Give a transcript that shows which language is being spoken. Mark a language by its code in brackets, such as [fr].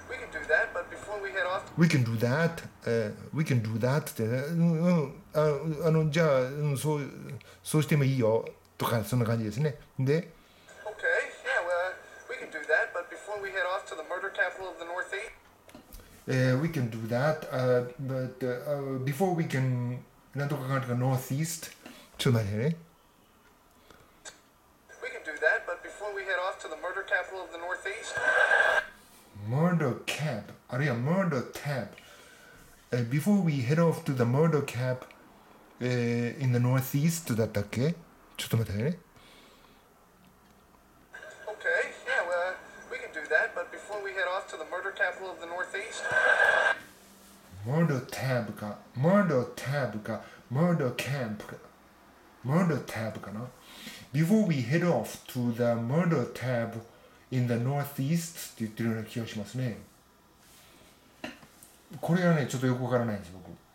[en] We can do that.、we can do that. [ja] って、あのじゃあ、そうしてもいいよとか、そんな感じですね。で、 [en] Okay. Yeah, well, we can do that. But before we head off to the murder capital of the Northeast,、 we can do that. But、before we can, [ja] なんとかかんとか [en] Northeast, [ja] ちょっと待ってね。 [en] We can do that. But before we head off to the murder capital of the Northeast. Murder cap, あるいは murder tap、Before we head off to the murder cap、in the northeast [ja] だったっけ？ちょっと待ってね。 [en] Okay, yeah, well, we can do that, but before we head off to the murder capital of the northeast. Murder tap か、murder tap か、murder camp か、murder tap かな。 Before we head off to the murder tap. In the northeast [ja] って言ってるような気がしますね。これがね、ちょっとよくわからないんです、僕。